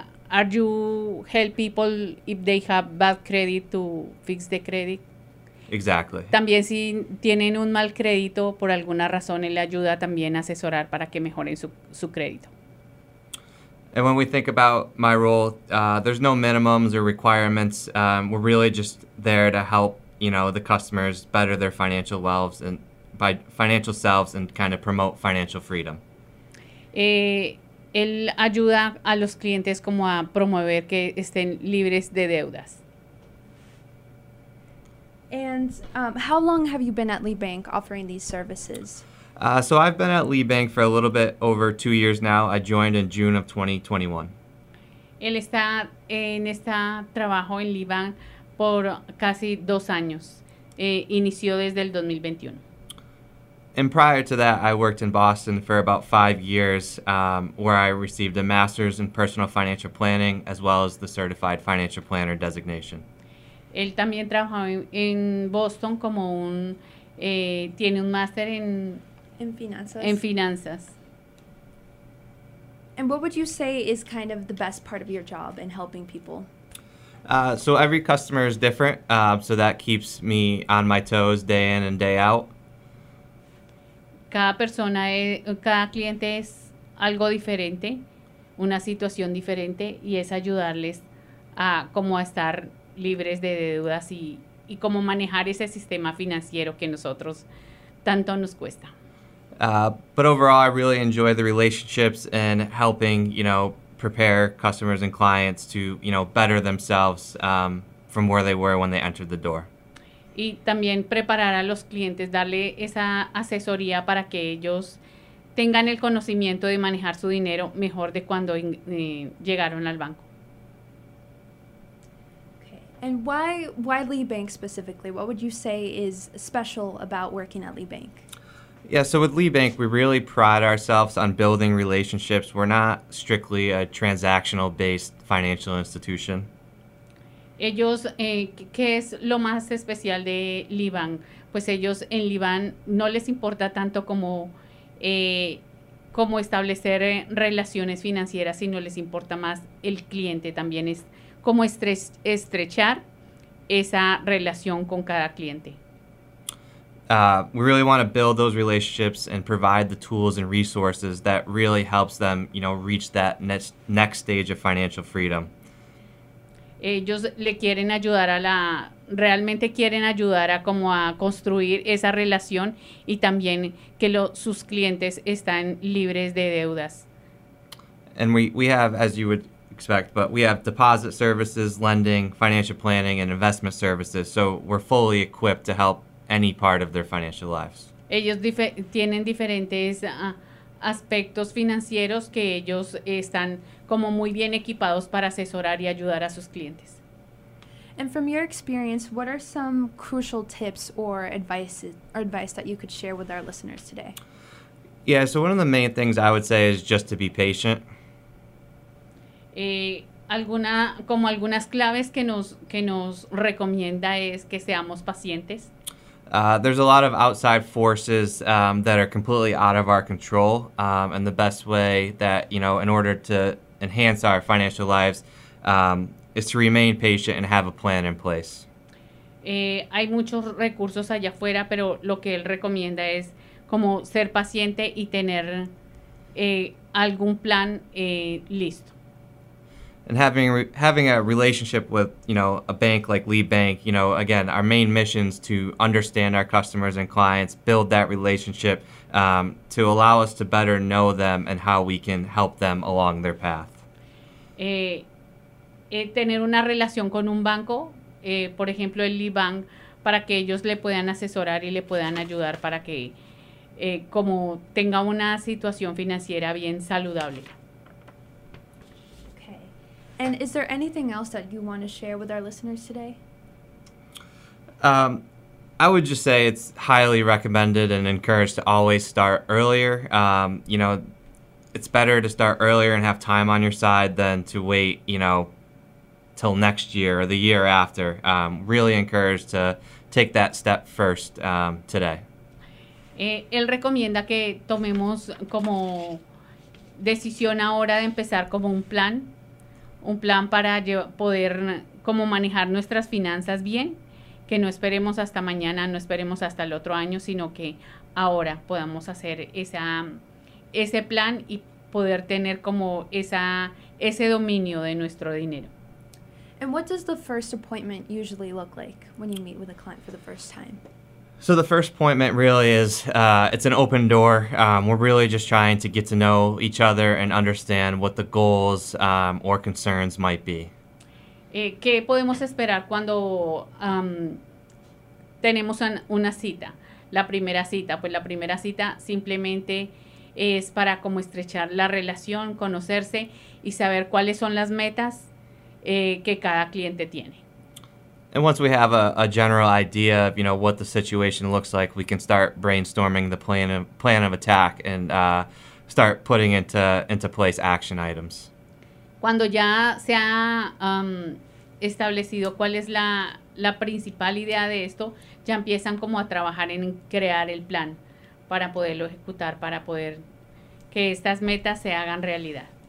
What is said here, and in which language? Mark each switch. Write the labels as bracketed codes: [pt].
[en] Are you help people if they have bad credit to fix the credit? Exactly. [es] También si tienen un mal crédito por alguna razón, él le ayuda también a asesorar para que mejoren su crédito. [en] And when we think about my role, there's no minimums or requirements. We're really just there to help, you know, the customers better their financial wealths and by financial selves and kind of promote financial freedom. [es] Él ayuda a los clientes como a promover que estén libres de deudas. [en] And how long have you been at Lee Bank offering these services? So I've been at Lee Bank for a little bit over 2 years now. I joined in June of 2021. [es] Él está en este trabajo en Lee Bank por casi 2 años. Inició desde el 2021. [en] And prior to that, I worked in Boston for about 5 years, where I received a master's in personal financial planning as well as the certified financial planner designation. [es] Él también trabajó en Boston como un tiene un máster en finanzas. En finanzas. [en] And what would you say is kind of the best part of your job in helping people? So every customer is different, so that keeps me on my toes day in and day out. [es] Cada persona, cada cliente es algo diferente, una situación diferente, y es ayudarles a cómo estar libres de deudas y cómo manejar ese sistema financiero que nosotros tanto nos cuesta. [en] But overall, I really enjoy the relationships and helping, you know, prepare customers and clients to, you know, better themselves from where they were when they entered the door. [es] Y también preparar a los clientes, darle esa asesoría para que ellos tengan el conocimiento de manejar su dinero mejor de cuando llegaron al banco. [en] Okay. And why Lee Bank specifically? What would you say is special about working at Lee Bank? Yeah, so with Lee Bank, we really pride ourselves on building relationships. We're not strictly a transactional-based financial institution. [es] Ellos, ¿qué es lo más especial de Lee Bank? Pues ellos en Lee Bank no les importa tanto como establecer relaciones financieras, sino les importa más el cliente. También es como estrechar esa relación con cada cliente. [en] We really want to build those relationships and provide the tools and resources that really helps them, you know, reach that next stage of financial freedom. [es] Ellos le quieren ayudar realmente quieren ayudar a como a construir esa relación y también que sus clientes están libres de deudas. [en] And we have, as you would expect, but we have deposit services, lending, financial planning, and investment services. So we're fully equipped to help any part of their financial lives. [es] Ellos tienen diferentes aspectos financieros que ellos están como muy bien equipados para asesorar y ayudar a sus clientes. [en] And from your experience, what are some crucial tips or advice that you could share with our listeners today? Yeah, so one of the main things I would say is just to be patient. [es] Algunas claves que nos recomienda es que seamos pacientes. [en] There's a lot of outside forces that are completely out of our control, and the best way that, you know, in order to enhance our financial lives is to remain patient and have a plan in place. [es] Hay muchos recursos allá afuera, pero lo que él recomienda es como ser paciente y tener algún plan listo. [en] And having a relationship with, you know, a bank like Lee Bank, you know, again, our main mission is to understand our customers and clients, build that relationship to allow us to better know them and how we can help them along their path. [es] Tener una relación con un banco, por ejemplo, el Lee Bank, para que ellos le puedan asesorar y le puedan ayudar para que como tenga una situación financiera bien saludable. [en] And is there anything else that you want to share with our listeners today? I would just say it's highly recommended and encouraged to always start earlier. You know, it's better to start earlier and have time on your side than to wait, you know, till next year or the year after. Really encouraged to take that step first today. [es] Él recomienda que tomemos como decisión ahora de empezar como un plan para poder como manejar nuestras finanzas bien, que no esperemos hasta mañana, no esperemos hasta el otro año, sino que ahora podamos hacer ese plan y poder tener como ese dominio de nuestro dinero. [en] And what does the first appointment usually look like when you meet with a client for the first time? So the first appointment really is, it's an open door. We're really just trying to get to know each other and understand what the goals or concerns might be. [es] ¿Qué podemos esperar cuando tenemos una cita? La primera cita, pues la primera cita simplemente es para como estrechar la relación, conocerse y saber cuáles son las metas que cada cliente tiene. [en] And once we have a general idea of, you know, what the situation looks like, we can start brainstorming the plan of attack and start putting into place action items. [es] Cuando ya se ha establecido cuál es la principal idea de esto, ya empiezan como a trabajar en crear el plan para poderlo ejecutar, para poder que estas metas se hagan realidad.